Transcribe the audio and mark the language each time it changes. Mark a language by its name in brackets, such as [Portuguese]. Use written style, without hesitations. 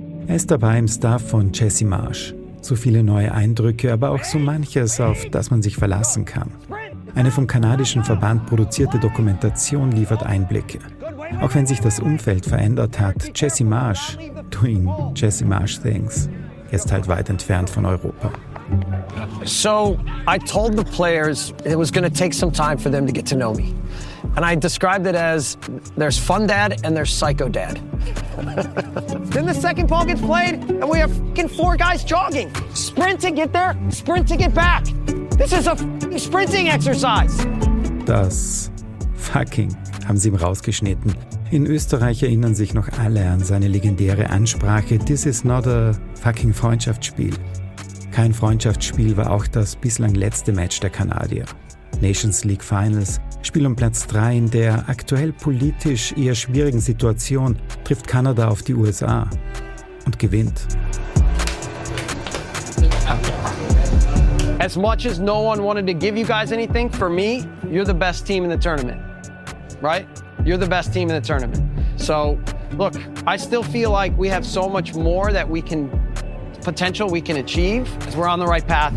[German] Er ist dabei im Staff von Jesse Marsch. So viele neue Eindrücke, aber auch so manches, auf das man sich verlassen kann. Eine vom kanadischen Verband produzierte Dokumentation liefert Einblicke. Auch wenn sich das Umfeld verändert hat, Jesse Marsh, [English] doing Jesse Marsh things, [German] ist halt weit entfernt von Europa. [English] So, I told the players it was going to take some time for them to get to know me. And I described it as, there's fun dad and there's psycho dad. Then the second ball gets played and we have f***ing four guys jogging. Sprint to get there, sprint to get back. This is a f***ing sprinting exercise. [German] Das fucking haben sie ihm rausgeschnitten. In Österreich erinnern sich noch alle an seine legendäre Ansprache, [English] this is not a fucking [German] Freundschaftsspiel. Kein Freundschaftsspiel war auch das bislang letzte Match der Kanadier. Nations League Finals, Spiel um Platz 3 in der aktuell politisch eher schwierigen Situation, trifft Kanada auf die USA und gewinnt. [English] As much as no one wanted to give you guys anything, for me, you're the best team in the tournament, right? You're the best team in the tournament. So, look, I still feel like we have so much more that we can, potential we can achieve. We're on the right path.